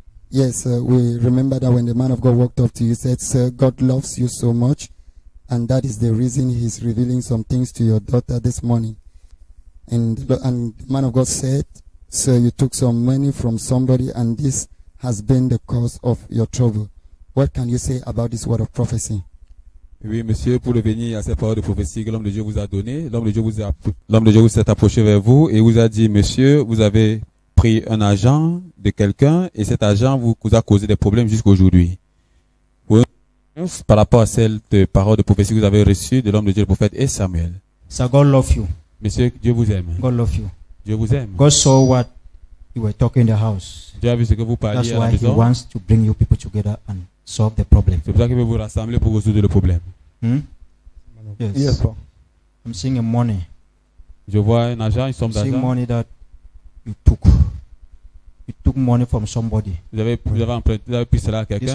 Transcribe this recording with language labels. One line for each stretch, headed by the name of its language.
English: Yes, we remember that when the man of God walked up to you, he said, sir, God loves you so much, and that is the reason he's revealing some things to your daughter this morning. And the man of God said, sir, you took some money from somebody, and this has been the cause of your trouble. What can you say about this word of prophecy?
French: Oui, monsieur, pour revenir à cette parole de prophétie que l'homme de Dieu vous a donné, l'homme de Dieu vous s'est approché vers vous et vous a dit, monsieur, vous avez pris un agent de quelqu'un et cet agent vous a causé des problèmes jusqu'à aujourd'hui. Vous, par rapport à cette parole de prophétie que vous avez reçue de l'homme de Dieu, le prophète et Samuel.
English: So God love you.
French: Monsieur, Dieu vous aime.
English: God love you.
French: Dieu vous aime.
English: God saw what you were talking in the house.
French: Dieu a vu ce que vous parliez à la maison.
English: That's why he wants to bring you people together and solve the problem.
French: C'est pour ça qu'il veut vous rassembler pour résoudre le problème.
English: Yes. I'm seeing a money.
French: Je vois un agent, une somme d'argent.
English: Money that you took money from somebody.
French: Vous avez emprunté, vous avez pris cela à quelqu'un.